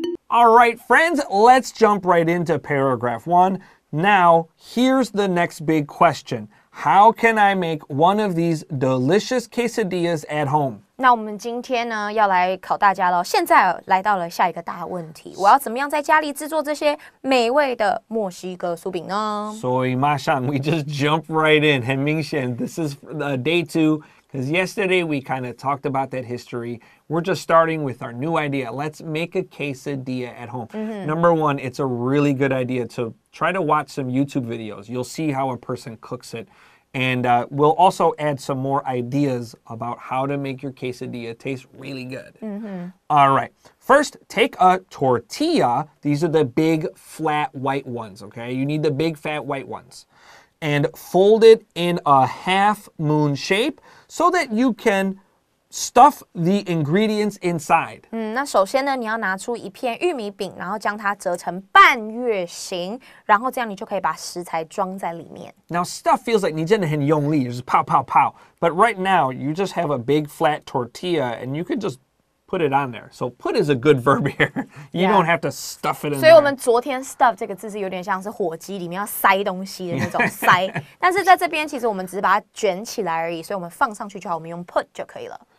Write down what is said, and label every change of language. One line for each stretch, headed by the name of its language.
English: All right, friends, let's jump right into paragraph one. Now, here's the next big question. How can I make one of these delicious quesadillas at home?
Chinese: 那我们今天呢要来考大家了现在来到了下一个大问题我要怎么样在家里制作这些美味的墨西哥酥饼呢所以马上
English: we just jump right in
Chinese: 很明显
English: this is day two because yesterday we kind of talked about that history we're just starting with our new idea let's make a quesadilla at home、mm-hmm. number one it's a really good idea to try to watch some YouTube videos you'll see how a person cooks itAnd we'll also add some more ideas about how to make your quesadilla taste really good. Mm-hmm. All right. First, take a tortilla. These are the big, flat, white ones, okay? You need the big, fat, white ones. And fold it in a half moon shape so that you can stuff the ingredients inside.
Chinese: 那首先呢，你要拿出一片玉米饼，然后将它折成半月形，然后这样你就可以把食材装在里面。
English: Now, stuff feels like
Chinese: 你真的很用力，就是
English: pow, pow, pow. But right now, you just have a big flat tortilla, and you can just put it on there. So put is a good verb here. You don't have to stuff it in there.
Chinese: 所以我们昨天 stuff 这个字是有点像是火鸡里面要塞东西的那种塞。但是在这边其实我们只是把它卷起来而已，所以我们放上去就好，我们用 put 就可以了。